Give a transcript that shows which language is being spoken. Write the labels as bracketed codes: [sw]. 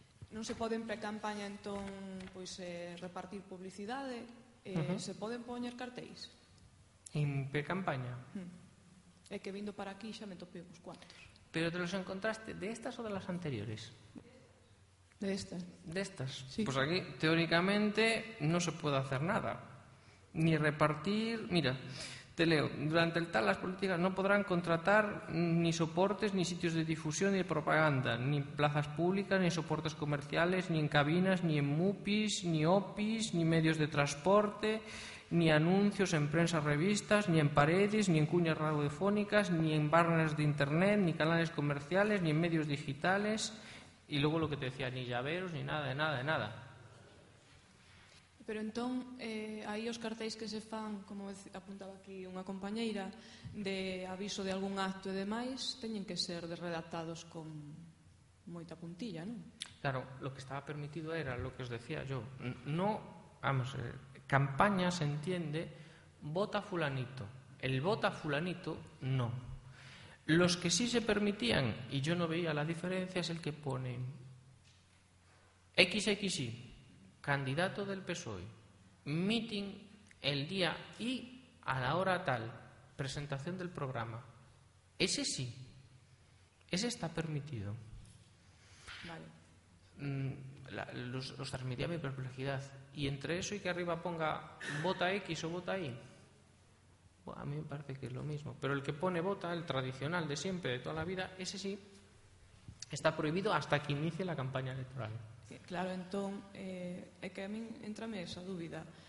[gl] Non se poden pre-campaña entón pois, repartir publicidade, se poden poñer cartéis en pre-campaña? É que vindo para aquí xa me topei uns cuantos. [es] Pero te los encontraste de estas ou de las anteriores? De estas. De estas, sí. [gl] Pois aquí teóricamente non se pode [es] hacer nada ni repartir. Mira, te leo: durante el tal las políticas no podrán contratar ni soportes, ni sitios de difusión, ni de propaganda, ni plazas públicas, ni soportes comerciales, ni en cabinas, ni en MUPIs, ni OPIs, ni medios de transporte, ni anuncios en prensa, revistas, ni en paredes, ni en cuñas radiofónicas, ni en banners de internet, ni canales comerciales, ni en medios digitales. Y luego lo que te decía, ni llaveros, ni nada, de nada, de nada. [gl] Pero entón, aí os cartéis que se fan, como apuntaba aquí unha compañeira, de aviso de algún acto e demais, teñen que ser redactados con moita puntilla, non? [es] Claro, lo que estaba permitido era lo que os decía yo. No, vamos, campaña se entiende vota fulanito. El vota fulanito, no. Los que sí se permitían, y yo no veía la diferencia, es el que pone XXY, candidato del PSOE, meeting el día y a la hora tal, presentación del programa. Ese sí. Ese está permitido. Vale. Los transmitía mi perplejidad. Y entre eso y que arriba ponga vota X o vota Y, bueno, a mí me parece que es lo mismo. Pero el que pone vota, el tradicional de siempre, de toda la vida, ese sí está prohibido hasta que inicie la campaña electoral. [gl] Claro, entón, é que a min entrame esa dúbida.